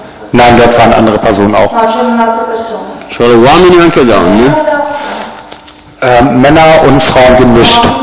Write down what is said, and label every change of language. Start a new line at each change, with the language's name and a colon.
German: Nein, dort waren andere Personen auch.
Italian: Solo uomini anche donne?
German: Männer und Frauen gemischt.